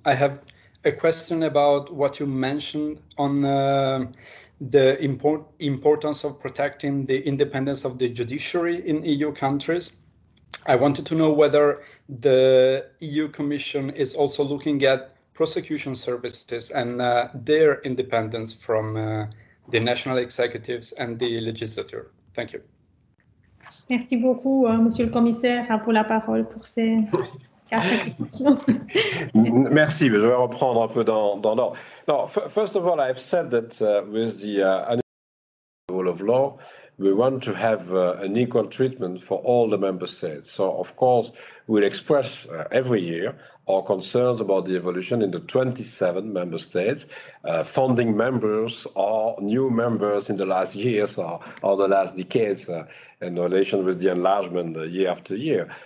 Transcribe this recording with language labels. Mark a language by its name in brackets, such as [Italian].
[English] I have a question about what you mentioned on the importance of protecting the independence of the judiciary in EU countries. I wanted to know whether the EU Commission is also looking at prosecution services and their independence from the national executives and the legislature. Thank you. [French] Merci beaucoup, Monsieur le Commissaire, pour la parole pour ces quatre questions. Merci, je vais reprendre un peu dans l'ordre. [English] Non, first of all, I've said that with the rule of law, we want to have an equal treatment for all the member states. So, of course, we'll express every year our concerns about the evolution in the 27 member states, founding members or new members in the last years or the last decades, in relation with the enlargement year after year.